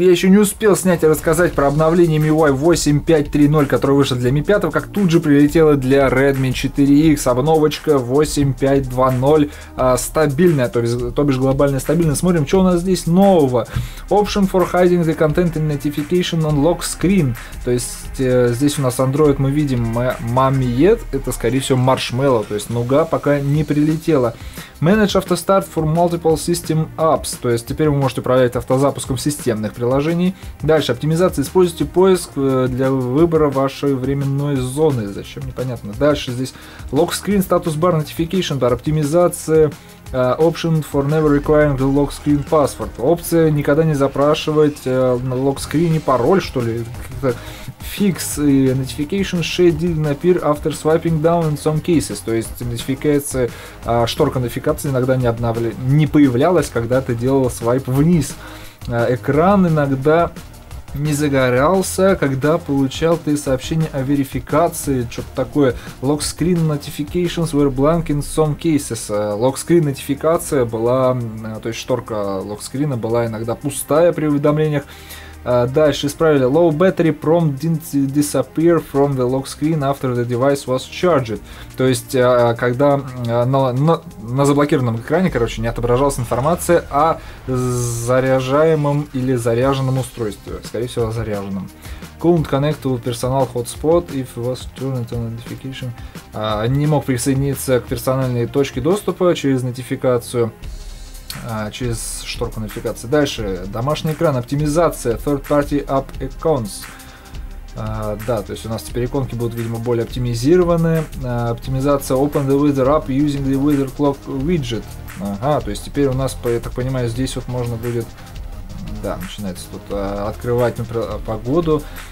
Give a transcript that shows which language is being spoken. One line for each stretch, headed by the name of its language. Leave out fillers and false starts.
Russian: Я еще не успел снять и рассказать про обновление MIUI 8.5.3.0, которое вышло для Mi 5, как тут же прилетело для Redmi 4X. Обновочка 8.5.2.0 стабильная, то бишь глобально стабильная. Смотрим, что у нас здесь нового.
English: Option for hiding the content in notification on lock screen.
Russian: То есть здесь у нас Android, мы видим Mamiet, это скорее всего Marshmallow, то есть нуга пока не прилетела.
English: Manage автостарт for multiple system apps,
Russian: то есть теперь вы можете управлять автозапуском системных приложений. Дальше, оптимизация, используйте поиск для выбора вашей временной зоны, зачем, непонятно. Дальше здесь
English: lock screen status bar notification bar, оптимизация, option for never requiring the lock screen password,
Russian: опция никогда не запрашивать на lock screen пароль, что ли, как-то.
English: Fix notification shade didn't appear after swiping down in some cases.
Russian: То есть нотификация, шторка нотификации иногда не появлялась, когда ты делал свайп вниз. Экран иногда не загорался, когда получал ты сообщение о верификации, что-то такое.
English: Lock screen notifications were blank in some cases.
Russian: Lock screen нотификация была, то есть шторка lock screen была иногда пустая при уведомлениях. Дальше исправили.
English: Low battery prompt didn't disappear from the lock screen after the device was charged.
Russian: То есть, когда на заблокированном экране, короче, не отображалась информация о заряжаемом или заряженном устройстве. Скорее всего, о заряженном.
English: Couldn't connect to personal hotspot if it was turned on notification.
Russian: Не мог присоединиться к персональной точке доступа через нотификацию. Через шторку нотификации. Дальше, домашний экран, оптимизация
English: third-party app icons.
Russian: Да, то есть у нас теперь иконки будут, видимо, более оптимизированы.
English: Оптимизация open the weather app using the weather clock widget.
Russian: Ага, то есть теперь у нас, я так понимаю, здесь вот можно будет, да, начинается тут открывать, например, погоду.